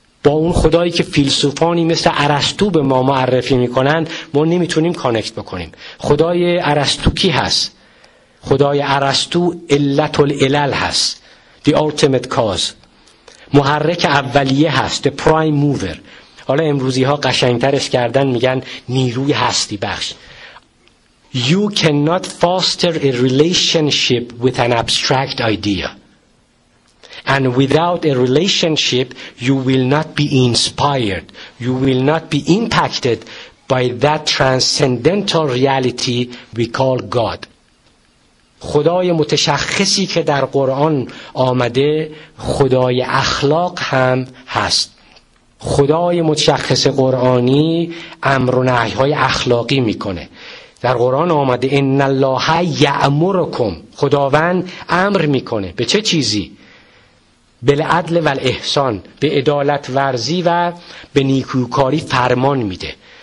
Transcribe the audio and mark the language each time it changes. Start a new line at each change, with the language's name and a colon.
Persian: با اون خدایی که فیلسوفانی مثل ارسطو به ما معرفی میکنن، ما نمیتونیم کانکت بکنیم. خدای ارسطو کی هست؟ خدای ارسطو علت العلل هست،
English: the ultimate cause،
Persian: محرک اولیه هست،
English: the prime mover.
Persian: حالا امروزی ها قشنگترش کردن، میگن نیروی هستی بخش.
English: You cannot foster a relationship with an abstract idea, and without a relationship you will not be inspired, you will not be impacted by that transcendental reality we call God.
Persian: خدای متشخصی که در قرآن آمده خدای اخلاق هم هست. خدای متشخص قرآنی امر و نهی های اخلاقی میکنه. در قرآن آمده
Arabic: ان الله یأمرکم،
Persian: خداوند امر میکنه به چه چیزی؟
Arabic: بالعدل و الاحسان،
Persian: به عدالت ورزی و به نیکوکاری فرمان میده.